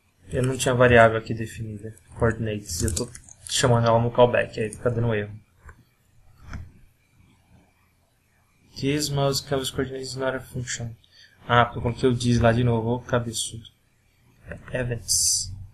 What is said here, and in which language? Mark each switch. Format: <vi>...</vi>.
<pt>Eu não tinha variável aqui definida, coordinates, e eu estou chamando ela no callback, aí fica dando erro.</pt> <en>This mouse covers coordinates is not a function.</en> <pt>Ah, eu coloquei o this lá de novo, cabeçudo. Events.</pt>